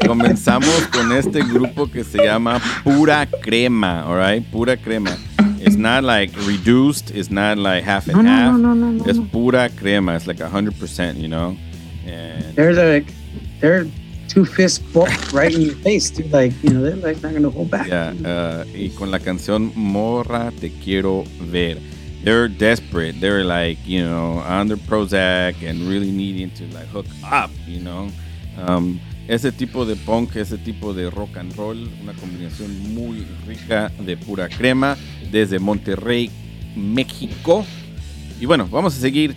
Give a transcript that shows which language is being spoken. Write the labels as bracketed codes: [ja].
[es] Comenzamos con este grupo que se llama Pura Crema, [en] all right? [es] Pura Crema. [en] It's not like reduced, it's not like half and half. No. It's Pura Crema. It's like 100%, you know? They're two fists right in your face, dude. Like, you know, they're like not going to hold back. [es] Yeah, y con la canción Morra Te Quiero Ver. [en] They're desperate. They're like, you know, under Prozac and really needing to like hook up, you know. [es] Ese tipo de punk, ese tipo de rock and roll, una combinación muy rica de Pura Crema desde Monterrey, México. Y bueno, vamos a seguir.